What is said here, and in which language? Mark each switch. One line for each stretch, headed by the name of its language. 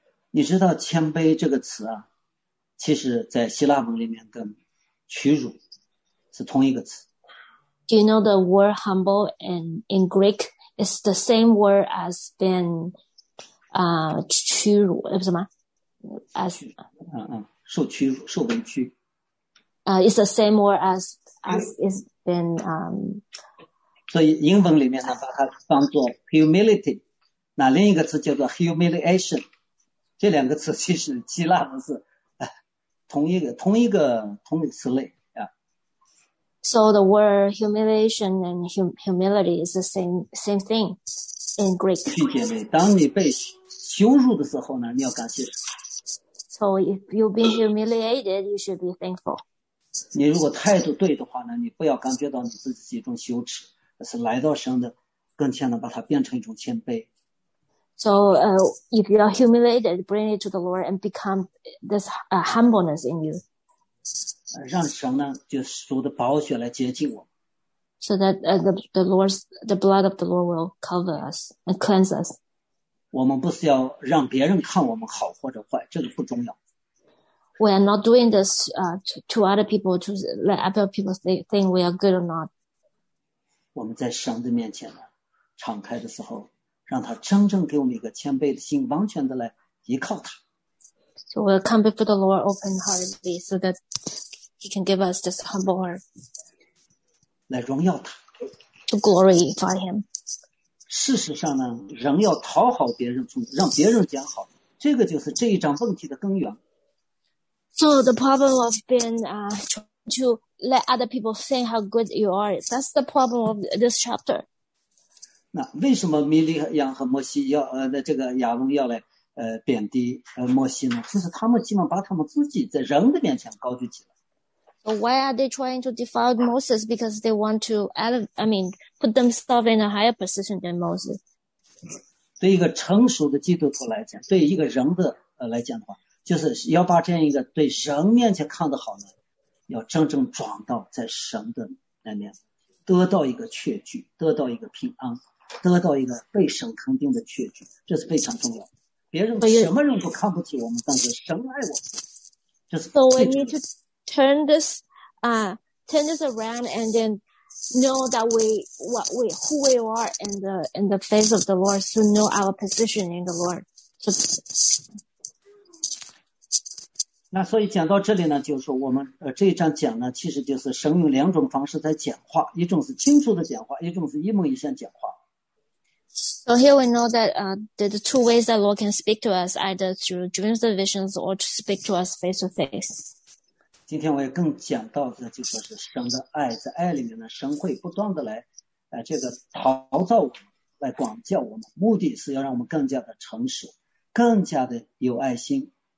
Chinese: 你知道谦卑这个词啊，其实在希腊文里面跟屈辱是同一个词。
English: Do you know the word humble in Greek? It's the same word as being,
Chinese: 屈辱，什么？
English: As,
Chinese: 嗯嗯，受屈辱，受委屈。
English: It's the same word as it's been,
Chinese: 所以英文里面呢，把它当作 humility， 那另一个词叫做 humiliation， 这两个词其实希腊文是，同一个词类。
English: So the word humiliation and humility is the same thing in Greek.
Chinese: 姐妹，当你被羞辱的时候呢，你要感谢。
English: So if you've been humiliated, you should be thankful.
Chinese: 你如果态度对的话呢，你不要感觉到你自己一种羞耻，而是来到神的跟前呢，把它变成一种谦卑。
English: So, if you are humiliated, bring it to the Lord and become this humbleness in you.
Chinese: 让神呢，就是主的宝血来洁净我。
English: So that the blood of the Lord will cover us and cleanse us.
Chinese: 我们不是要让别人看我们好或者坏，这个不重要。
English: We are not doing this to other people to let other people think we are good or not.
Chinese: 我们在神的面前呢，敞开的时候，让他真正给我们一个谦卑的心，完全的来依靠他。
English: So we'll come before the Lord open-heartedly so that. He can give us this humble heart.
Chinese: 来荣耀他。
English: To glorify him.
Chinese: 事实上呢，人要讨好别人，让别人讲好，这个就是这一章问题的根源。 So the problem of being to let other people think how good you are, that's the problem of this chapter. 那为什么米利亚和摩西要这个亚伦要来贬低摩西呢？就是他们希望把他们自己在人的面前高举起来。
English: Why are they trying to defile Moses? Because they want to, put themselves in a higher position than Moses.
Chinese: 对一个成熟的基督徒来讲，对一个人的来讲的话，就是要把这样一个对人面前看得好呢，要真正转到在神的那面，得到一个确据，得到一个平安，得到一个被神肯定的确据，这是非常重要。别人什么人都看不起我们，但是神爱我们，这是最重要的。
English: Turn this around, and then know that who we are in the face of the Lord, so know our position in the Lord. So,
Chinese: 那所以讲到这里呢，就是说我们这一章讲呢，其实就是神用两种方式在讲话，一种是清楚的讲话，一种是一目一向讲话。
English: So here we know that the two ways that Lord can speak to us, either through dreams and visions or to speak to us face to face.
Chinese: 今天我也更讲到的就是神的爱，在爱里面呢，神会不断的来这个陶造我们，来管教我们，目的是要让我们更加的诚实，更加的有爱心。